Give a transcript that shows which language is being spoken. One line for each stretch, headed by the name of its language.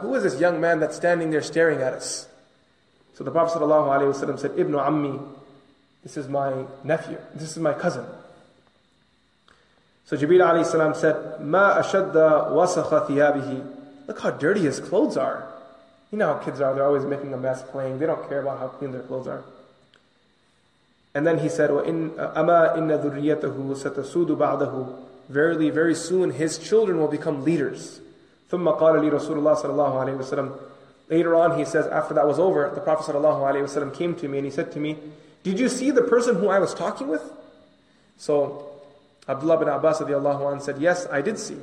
English: Who is this young man that's standing there staring at us? So the Prophet sallallahu alayhi wasallam said, Ibn Ammi. This is my nephew. This is my cousin. So Jibreel alayhi salam said,
Arabic: مَا أَشَدَّ وَسَخَ ثِيَابِهِ.
English: Look how dirty his clothes are. You know how kids are, they're always making a mess, playing, they don't care about how clean their clothes are. And then he said,
Arabic: أَمَا إِنَّ ذُرِّيَّتَهُ سَتَسُودُ بَعْدَهُ.
English: Verily, very soon his children will become leaders.
Arabic: ثُمَّ قَالَ لِي رَسُولُ اللَّهِ صَلَى اللَّهُ عَلَيْهِ وَسَلَمْ.
English: Later on he says, after that was over, the Prophet sallallahu alaihi wasallam came to me and he said to me, did you see the person who I was talking with? So Abdullah bin Abbas radiallahu anhu said, yes, I did see.